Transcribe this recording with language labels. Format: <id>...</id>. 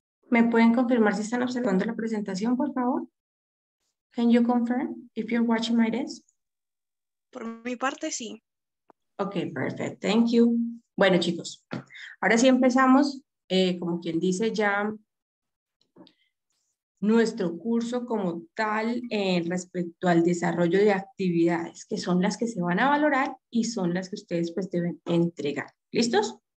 <es>¿Me pueden confirmar si están observando la presentación, por favor?</es> <en>Can you confirm if you're watching my desk?</en> <es>Por mi parte, sí.</es> <en>Ok, perfect. Thank you.</en> <es>Bueno, chicos, ahora sí empezamos, como quien dice, ya nuestro curso como tal respecto al desarrollo de actividades, que son las que se van a valorar y son las que ustedes pues deben entregar. ¿Listos?</es>